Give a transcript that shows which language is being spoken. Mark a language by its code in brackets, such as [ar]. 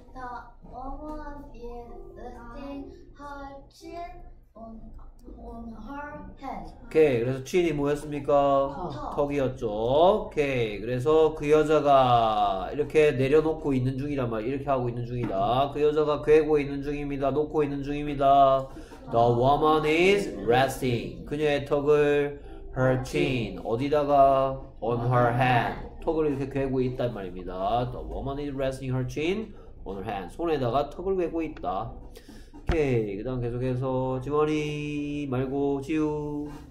[en] The woman is lifting her chin on her head. [ko] 오케이. 그래서 chin이 뭐였습니까? 턱. 턱이었죠. 오케이. 그래서 그 여자가 이렇게 내려놓고 있는 중이란 말, 이렇게 하고 있는 중이다. 그 여자가 괴고 있는 중입니다. 놓고 있는 중입니다. [en] The woman is resting. [ko] 그녀의 턱을 [en] her chin [ko] 어디다가 [en] on her hand. [ko] 턱을 이렇게 괴고 있단 말입니다. [en] The woman is resting her chin on her hand. [ko] 손에다가 턱을 괴고 있다. 오케이. 그 다음 계속해서 지원이 말고 지우.